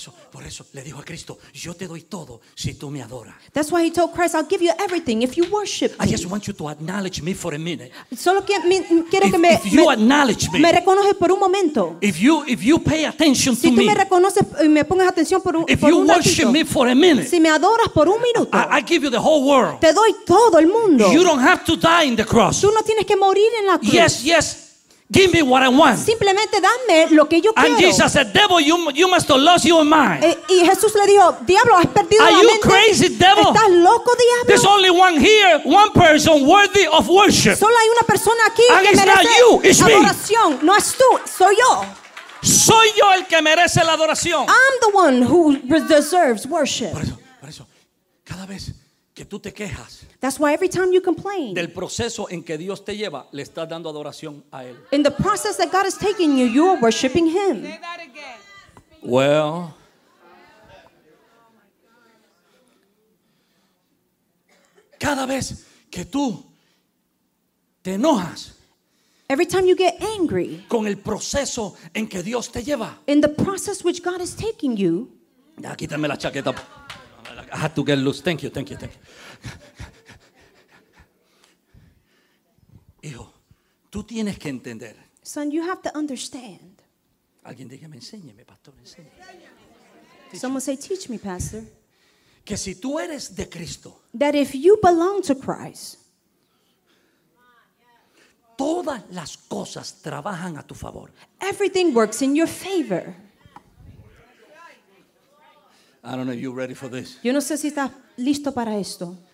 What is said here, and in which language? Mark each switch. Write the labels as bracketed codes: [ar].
[es] Por eso le dijo a Cristo, yo te doy todo si tú me adoras. [en] That's why he told Christ, I'll give you everything if you worship me. I just want you to acknowledge me for a minute. [es] Solo quiero que me reconozcas por un momento. [en] If you pay attention [es] si [en] to me. [es] Si tú me reconoces y me pongas atención por un momento. [en] If you worship me for a minute. [es] Si me adoras por un minuto. [en] I give you the whole world. [es] Te doy todo el mundo. [en] You don't have to die in the cross. [es] Tú no tienes que morir en la cruz. [en] Yes. Give me what I want. [es] Simplemente dame lo que yo quiero. [en] And Jesus said, "Devil, you must have lost your mind." [es] Y Jesús le dijo, diablo, has perdido la mente. [en] Are you crazy, devil? [es] ¿Estás loco, diablo? [en] There's only one here, one person worthy of worship. [es] Solo hay una persona aquí [en] and [es] que [en] it's [es] merece [en] not you, it's [es] adoración. [en] Me. [es] No es tú, soy yo. Soy yo el que merece la adoración. [en] I'm the one who deserves worship. [es] Por eso, cada vez que tú te quejas. [en] That's why every time you complain. [es] Del proceso en que Dios te lleva, le estás dando adoración a él. [en] In the process that God is taking you, you are worshiping him. Say that again. Well. [es] Cada vez que tú te enojas. [en] Every time you get angry. [es] Con el proceso en que Dios te lleva. [en] In the process which God is taking you. [es] Ya quítame la chaqueta. [en] I had to get loose. Thank you. [es] Hijo, tú tienes que entender. [en] Son, you have to understand. [es] Alguien dígame, enséñeme, pastor, enséñeme. [en] Someone say, teach me, pastor. [es] Que si tú eres de Cristo. [en] That if you belong to Christ. [es] Todas las cosas trabajan a tu favor. [en] Everything works in your favor. I don't know if you're ready for this. [es] Yo no sé si estás listo para esto.